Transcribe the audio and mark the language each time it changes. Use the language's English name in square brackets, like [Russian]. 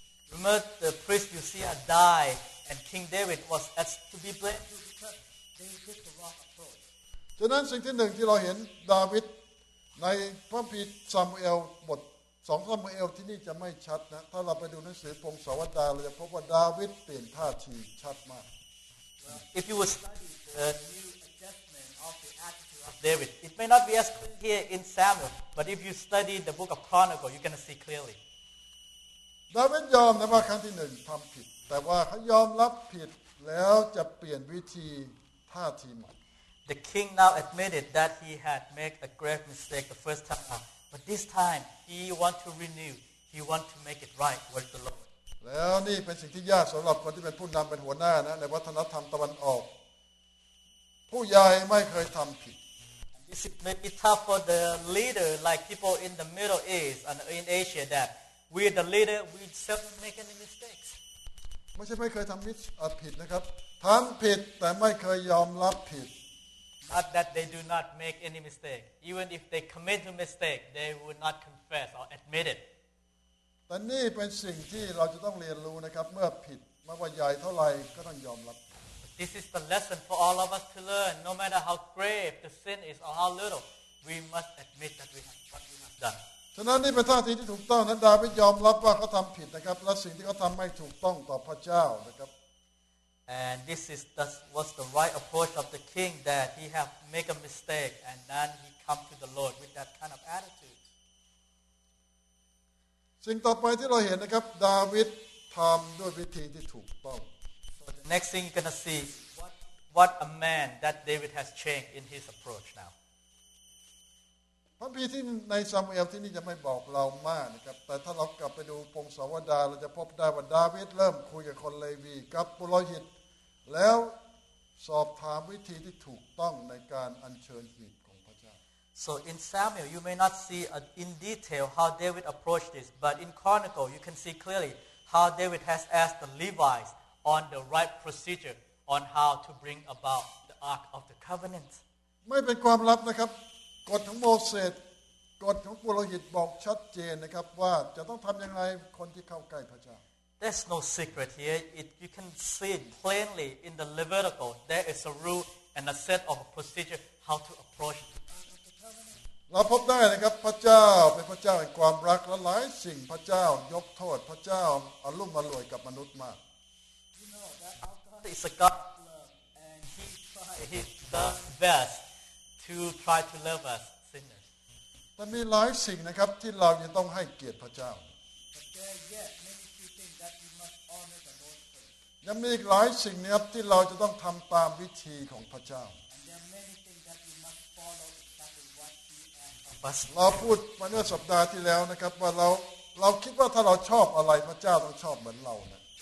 [English] Remember, the priest Uzziah died, and King David was asked to be blamed because they took the wrong approach. So that's the first thing that we see David in the book of Samuel. [Thai] 2 Samuel ที่นี่จะไม่ชัดนะถ้าเราไปดูหนังสือพงศาวดารเราจะพบว่าดาวิดเปลี่ยนท่าทีชัดมาก [English] If you would study the new adjustment of the attitude of David it may not be as clear here in Samuel but if you study the book of Chronicles you're going to see clearly [Thai] ดาวิดยอมนะว่าครั้งที่1ทําผิดแต่ว่าเขายอมรับผิดแล้วจะเปลี่ยนวิธีท่าทีใหม่ [English] The king now admitted that he had made a grave mistake the first time But this time, he want to renew. He want to make it right with the Lord. [Thai] แล้วนี่เป็นสิ่งที่ยากสำหรับคนที่เป็นผู้นำเป็นหัวหน้านะในวัฒนธรรมตะวันออกผู้ใหญ่ไม่เคยทำผิด [English] This may be tough for the leader, like people in the Middle East and in Asia, that we the leader, we seldom make any mistakes. [Thai] ไม่ใช่ไม่เคยทำผิดนะครับทำผิดแต่ไม่เคยยอมรับผิด [English] Not that they do not make any mistake. Even if they commit a mistake, they would not confess or admit it. But this is something that we have to learn. When we make a mistake, no matter how big or small, we have to admit it. This is the lesson for all of us to learn. No matter how grave the sin is or how little, we must admit that we have done. So this is the attitude that is correct. And David admits that he has made a mistake, and the thing that he did is not correct before the Lord. And this is that was the right approach of the king that he have make a mistake and then he come to the Lord with that kind of attitude. [Thai] สิ่งต่อไปที่เราเห็นนะครับดาวิดทำด้วยวิธีที่ถูกต้อง [English] So the next thing you're gonna see what a man that David has changed in his approach now. [Thai] พระคัมภีร์ที่ในซามูเอลที่นี่จะไม่บอกเรามากนะครับแต่ถ้าเรากลับไปดูพงศาวดารเราจะพบได้ว่าดาวิดเริ่มคุยกับคนเลวีกับปุโรหิตแล้วสอบถามวิธีที่ถูกต้องในการอัญเชิญหีบของพระเจ้า [English] So in Samuel you may not see in detail how David approached this but in Chronicle you can see clearly how David has asked the Levites on the right procedure on how to bring about the Ark of the Covenant [Thai] ไม่เป็นความลับนะครับกฎของโมเสสกฎของปุโรหิตบอกชัดเจนนะครับว่าจะต้องทำยังไงคนที่เข้าใกล้พระเจ้า [English] There's no secret here. You can see it plainly in the Levitical. There is a rule and a set of procedure how to approach it. [Thai] เราพบได้นะครับพระเจ้าเป็นพระเจ้าแห่งความรักและหลายสิ่งพระเจ้ายกโทษพระเจ้าอลุ่มอล่วยกับมนุษย์มาก [English] You know that our God is a God and He tries the best. To try to love us sinners. [Thai] แต่มีหลายสิ่งนะครับที่เรายังต้องให้เกียรติพระเจ้า [English] But there yet many few things that we must honor the Lord first. [Thai] ยังมีอีกหลายสิ่งนะครับที่เราจะต้องทำตามวิธีของพระเจ้า [English] And there are many things that we must follow exactly what He asked of us. [Thai] เราพูดมาเมื่อสัปดาห์ที่แล้วนะครับว่าเราคิดว่าถ้าเราชอบอะไรพระเจ้าต้องชอบเหมือนเรานะ